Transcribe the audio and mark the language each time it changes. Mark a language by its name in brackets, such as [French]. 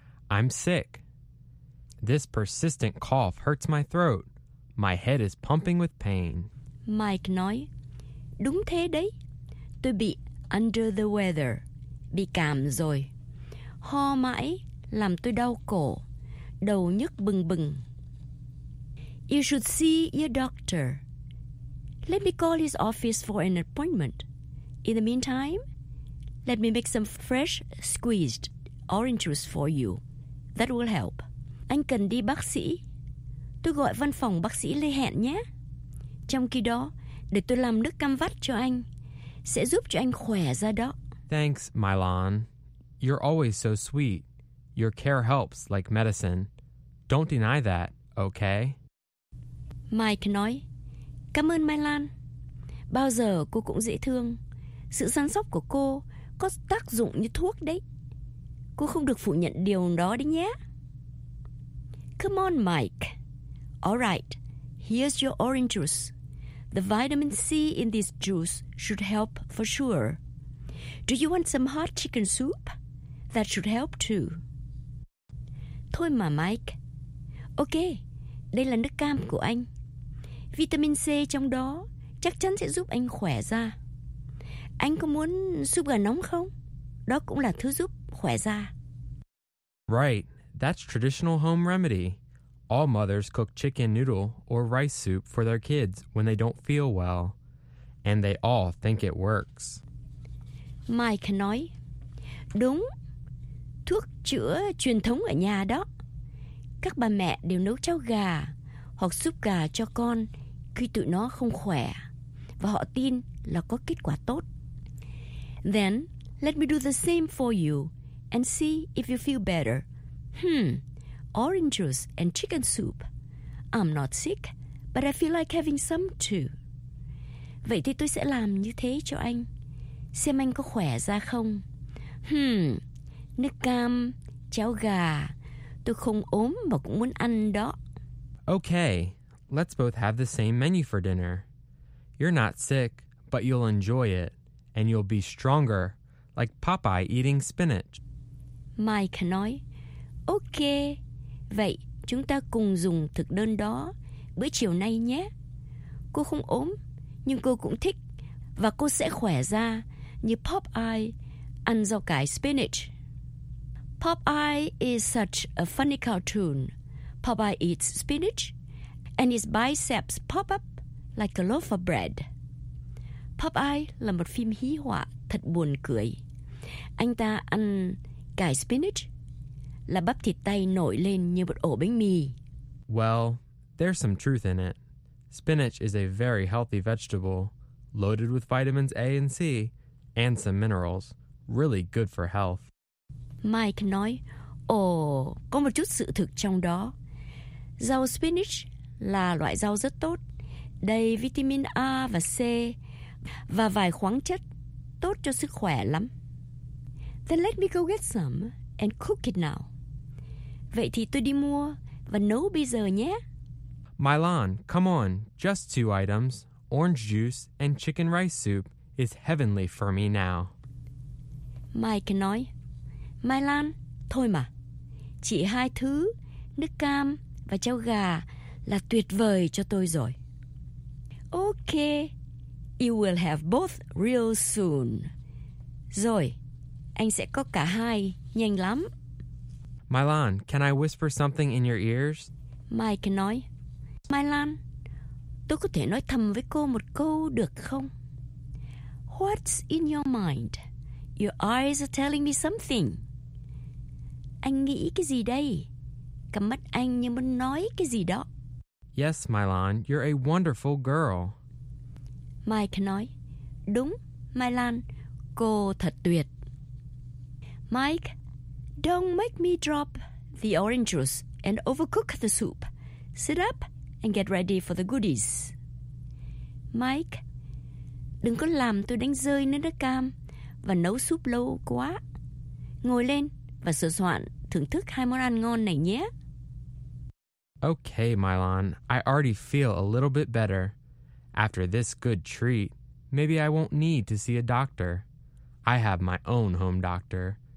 [English] I'm sick. This persistent cough hurts my throat. My head is pumping with pain. [Vietnamese] Mike nói, đúng thế đấy. Tôi bị [English] under the weather, [Vietnamese] bị cảm rồi. Ho mãi làm tôi đau cổ, đầu nhức bừng bừng. [English] You should see your doctor. Let me call his office for an appointment. In the meantime, let me make some fresh squeezed orange juice for you. That will help. [Vietnamese] Anh cần đi bác sĩ. Tôi gọi văn phòng bác sĩ lên hẹn nhé. Trong khi đó, để tôi làm nước cam vắt cho anh. Sẽ giúp cho anh khỏe ra đó. [English] Thanks, Mylon. You're always so sweet. Your care helps like medicine. Don't deny that, okay? [Vietnamese] Mike nói, cảm ơn Mylon. Bao giờ cô cũng dễ thương. Sự săn sóc của cô có tác dụng như thuốc đấy. Cô không được phủ nhận điều đó đấy nhé. [English] Come on, Mike. All right, here's your orange juice. The vitamin C in this juice should help for sure. Do you want some hot chicken soup? That should help too. [Vietnamese] Thôi mà Mike. Ok, đây là nước cam của anh. Vitamin C trong đó chắc chắn sẽ giúp anh khỏe da. Anh có muốn súp gà nóng không? Đó cũng là thứ giúp khỏe da. [English] Right, that's traditional home remedy. All mothers cook chicken noodle or rice soup for their kids when they don't feel well. And they all think it works. [Vietnamese] Mike nói, đúng, thuốc chữa truyền thống ở nhà đó. Các bà mẹ đều nấu cháo gà hoặc súp gà cho con khi tụi nó không khỏe. Và họ tin là có kết quả tốt. [English] Then, let me do the same for you and see if you feel better. Orange juice and chicken soup. I'm not sick, but I feel like having some too. [Vietnamese] Vậy thì tôi sẽ làm như thế cho anh. Xem anh có khỏe ra không. Nước cam, cháo gà. Tôi không ốm mà cũng muốn ăn đó. [English] Okay, let's both have the same menu for dinner. You're not sick, but you'll enjoy it. And you'll be stronger, like Popeye eating spinach. [Vietnamese] Mike nói, ok, vậy chúng ta cùng dùng thực đơn đó bữa chiều nay nhé. Cô không ốm, nhưng cô cũng thích, và cô sẽ khỏe ra như Popeye ăn rau cải spinach. [English] Popeye is such a funny cartoon. Popeye eats spinach, and his biceps pop up like a loaf of bread. [Vietnamese] Popeye là một phim hí họa thật buồn cười. Anh ta ăn cải spinach là bắp thịt tay nổi lên như một ổ bánh mì. [English] Well, there's some truth in it. Spinach is a very healthy vegetable, loaded with vitamins A and C, and some minerals. Really good for health. [Vietnamese] Mike nói, có một chút sự thực trong đó. Rau spinach là loại rau rất tốt, đầy vitamin A và C, và vài khoáng chất tốt cho sức khỏe lắm. [English] Then let me go get some and cook it now. [Vietnamese] Vậy thì tôi đi mua và nấu bây giờ nhé. [English] Mylon, come on, just two items. Orange juice and chicken rice soup is heavenly for me now. [Vietnamese] Mike nói, Mylon, thôi mà, chỉ hai thứ, nước cam và cháo gà là tuyệt vời cho tôi rồi. [English] Okay. You will have both real soon. [Vietnamese] Rồi, anh sẽ có cả hai, nhanh lắm. [English] Mylon, can I whisper something in your ears? [Vietnamese] Mike nói, Mylon, tôi có thể nói thầm với cô một câu được không? [English] What's in your mind? Your eyes are telling me something. [Vietnamese] Anh nghĩ cái gì đây? Cặp mắt anh như muốn nói cái gì đó. [English] Yes, Mylon, you're a wonderful girl. [Vietnamese] Mike nói, đúng, Mylon, cô thật tuyệt. [English] Mike, don't make me drop the orange juice and overcook the soup. Sit up and get ready for the goodies. [Vietnamese] Mike, đừng có làm tôi đánh rơi nước cam và nấu súp lâu quá. Ngồi lên và sửa soạn thưởng thức hai món ăn ngon này nhé. [English] Okay, Mylon, I already feel a little bit better. After this good treat, maybe I won't need to see a doctor. I have my own home doctor.